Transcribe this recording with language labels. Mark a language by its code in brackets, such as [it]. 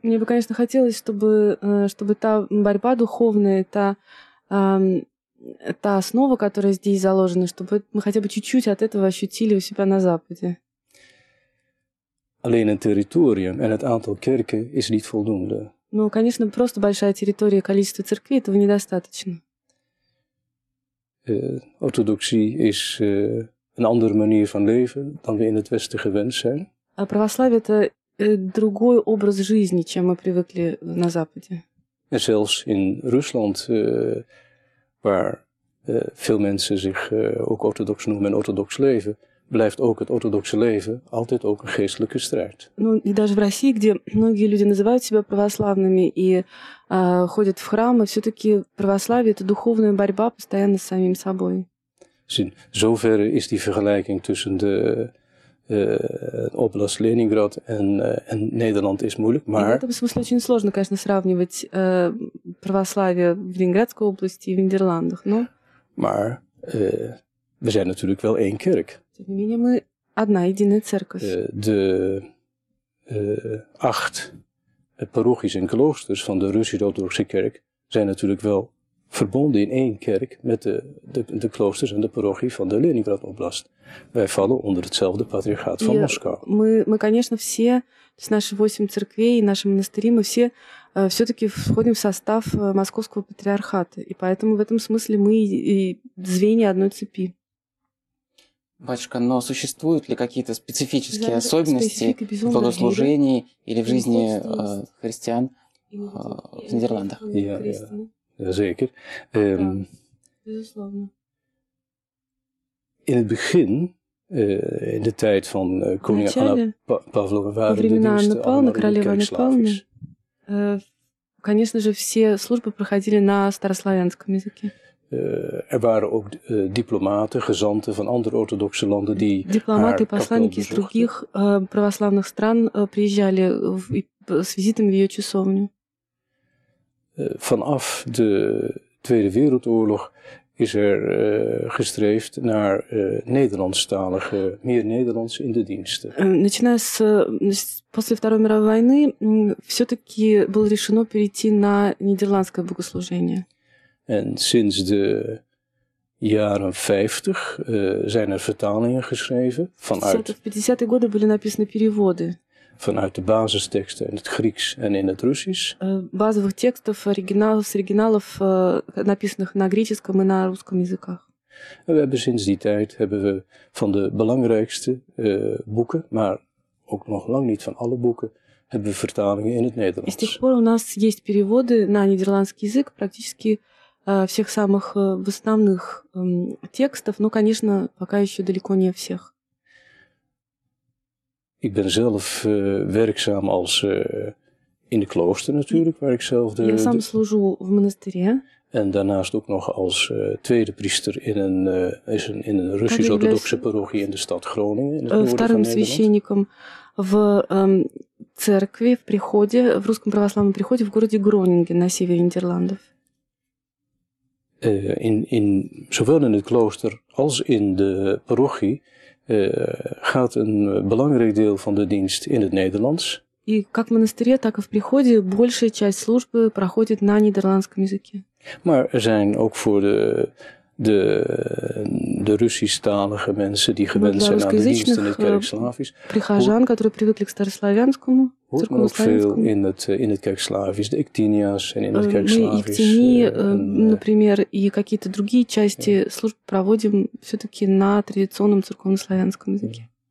[ru] Мне бы, конечно, хотелось, чтобы та борьба духовная, та основа, которая здесь заложена, чтобы мы хотя бы чуть-чуть от этого ощутили у себя на Западе. [nl] Alleen een territorium en het aantal kerken is niet voldoende. [ru] Ну, конечно, просто большая территория, количество церквей, этого недостаточно. [nl] Orthodoxie is een andere manier van leven dan we in het Westen gewend zijn. [ru] Православие это другой образ жизни, чем мы привыкли на Западе. [nl] En zelfs in Rusland, waar veel mensen zich ook orthodox noemen en orthodox leven, blijft ook het orthodoxe leven altijd ook een geestelijke strijd. [ru] Ну и даже в России, где многие люди называют себя православными и ходят в храмы, все-таки православие это духовная борьба постоянно с самим собой. [nl] In zoverre is die vergelijking tussen de oblast Leningrad en Nederland is moeilijk, maar. [ru] В этом смысле очень сложно, конечно, сравнивать православие в Ленинградской области и в Нидерландах, но. [nl] Maar we zijn natuurlijk wel één kerk. [ru] Тем не менее, мы одна единая церковь. [nl] De acht parochies en kloosters van de Russische Orthodoxe Kerk zijn natuurlijk wel verbonden in één kerk met de kloosters en de parochie van de Leningrad Oblast. Wij vallen onder hetzelfde patriarchaat van Moskou. [ru] Мы, конечно, все, с наши восемь церквей и наши монастыри, мы все все-таки входим в состав Московского патриархата. И поэтому в этом смысле мы и звенья одной цепи. Батюшка, но существуют ли какие-то специфические особенности в богослужении или в жизни христиан в Нидерландах? [nl] Zeker. [ru] Безусловно. [nl] In het begin, in de tijd van koning Anna Pavlova, waren de kerkslavisch. [ru] Конечно же, все службы проходили на старославянском языке. [nl] Er waren ook diplomaten, gezanten van andere orthodoxe landen die diplomaten en [ru] посланники из других православных стран приезжали с визитами в ее часовню. [nl] Vanaf de Tweede Wereldoorlog is er gestreefd naar Nederlandstalige, meer Nederlands in de diensten. [ru] Начиная с после Второй мировой войны все-таки было решено перейти на нидерландское богослужение. [nl] En sinds de jaren 50 zijn er vertalingen geschreven vanuit. [ru] В 50-е годы были написаны переводы. [nl] Vanuit de basisteksten in het Grieks en in het Russisch. [ru] Базовых текстов оригиналов, с оригиналов написанных на греческом и на русском языках. [nl] En we hebben sinds die tijd hebben we van de belangrijkste boeken, maar ook nog lang niet van alle boeken. Hebben we vertalingen in het Nederlands. [ru] И с тех пор у нас есть переводы на нидерландский язык практически всех самых в основных текстов, но, конечно, пока еще далеко не всех. [nl] Ik ben zelf werkzaam als in de klooster natuurlijk, waar ik zelf de. [ru] Я сам служу в монастыре. [nl] En daarnaast ook nog als tweede priester in een Russisch-orthodoxe parochie in de stad Groningen, in het noorden van Nederland. [ru] Священником в церкви, в приходе, в русском православном приходе в городе Гронинген на севере Нидерландов. [nl] In zowel in het klooster als in de parochie gaat een belangrijk deel van de dienst in het Nederlands. [ru] И как в монастыре, так и в приходе большая часть службы проходит на нидерландском языке. [nl] Maar er zijn ook voor de Russisch-talige mensen die gewend zijn aan de diensten in het kerkslavisch. [ru] Прихожан, которые привыкли к старославянскому, церковнославянскому. [nl] In het kerkslavisch, de Ektinias en in het kerkslavisch. [ru] Например, и какие-то другие части служб проводим все-таки на традиционном церковнославянском языке.